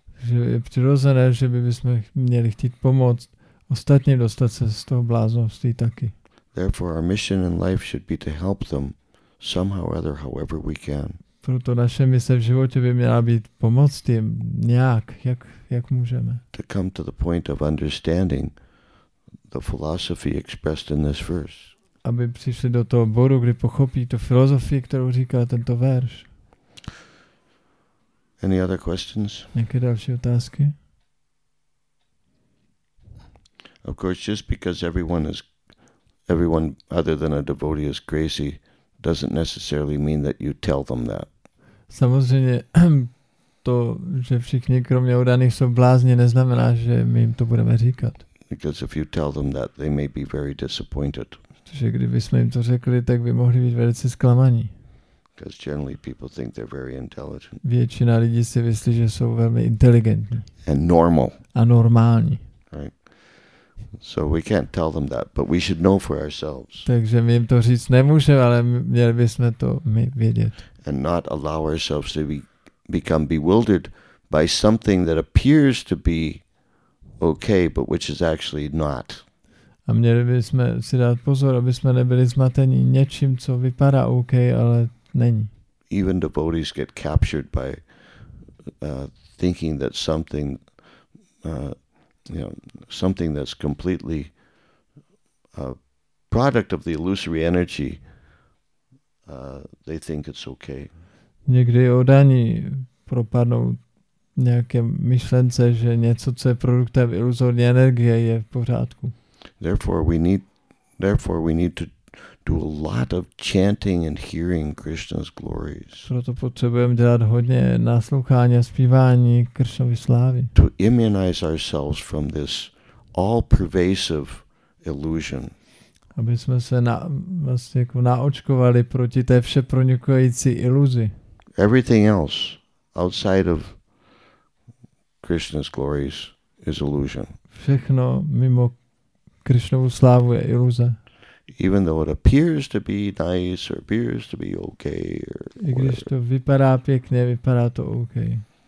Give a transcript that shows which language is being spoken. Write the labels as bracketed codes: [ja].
[cs] Že je přirozené, že bychom měli chtít pomoct ostatním dostat se z toho bláznovství taky. [en] Therefore our mission in life should be to help them somehow or other however we can. [cs] Proto naše mise v životě by měla být pomoct jim nějak, jak můžeme. [en] To come to the point of understanding the philosophy expressed in this verse. [cs] Aby přišli do toho bodu, kdy pochopí tu filozofii, kterou říká tento verš. [en] Any other questions? [cs] Nějaké další otázky? [en] Of course, just because everyone other than a devotee is crazy doesn't necessarily mean that you tell them that. [cs] Samozřejmě to, že všichni kromě udaných jsou blázni, neznamená, že my jim to budeme říkat. [en] Because if you tell them that, they may be very disappointed. [cs] Protože kdyby jsme jim to řekli, tak by mohli být velice zklamaní. [en] Because generally people think they're very intelligent. [cs] Většina lidí si myslí, že jsou velmi inteligentní. [en] And normal. [cs] A normální. [en] Right. So we can't tell them that, but we should know for ourselves. [cs] Takže my jim to říct nemůžeme, ale měli bychom to my vědět. [en] And not allow ourselves to become bewildered by something that appears to be okay, but which is actually not. [cs] A měli bychom si dát pozor, aby jsme nebyli zmateni něčím, co vypadá OK, ale není. [en] Even devotees get captured by thinking that something something that's completely a product of the illusory energy, they think it's okay. [cs] Někdy oddaní propadnou nějaké myšlence, že něco, co je produktem iluzorní energie, je v pořádku. [en] Therefore we need to do a lot of chanting and hearing Krishna's glories. [cs] Proto potřebujeme dělat hodně naslouchání a zpívání Kršnovy slávy. [en] To immunize ourselves from this all-pervasive illusion. [cs] Aby jsme se vlastně jako naočkovali proti té všepronikující iluzi. [en] Everything else outside of Krishna's glories is illusion. [cs] Všechno mimo Krishnovu slávu je iluze. [en] Even though it appears to be nice or appears to be okay or whatever. [cs] I když to vypadá pěkně, vypadá to okay.